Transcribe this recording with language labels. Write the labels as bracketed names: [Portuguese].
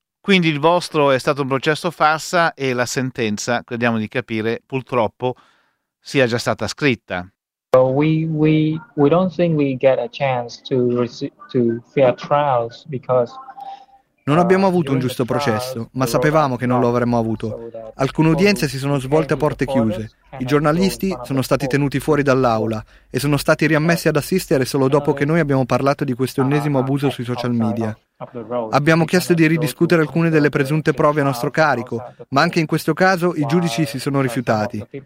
[Italian] Quindi il vostro è stato un processo farsa e la sentenza, crediamo di capire, purtroppo sia già stata scritta. [English] We don't think we get a chance to fair trials because [Italian] non abbiamo avuto un giusto processo, ma sapevamo che non lo avremmo avuto. Alcune udienze si sono svolte a porte chiuse. I giornalisti sono stati tenuti fuori dall'aula e sono stati riammessi ad assistere solo dopo che noi abbiamo parlato di questo ennesimo abuso sui social media. Abbiamo chiesto di ridiscutere alcune delle presunte prove a nostro carico, ma anche in questo caso i giudici si sono rifiutati.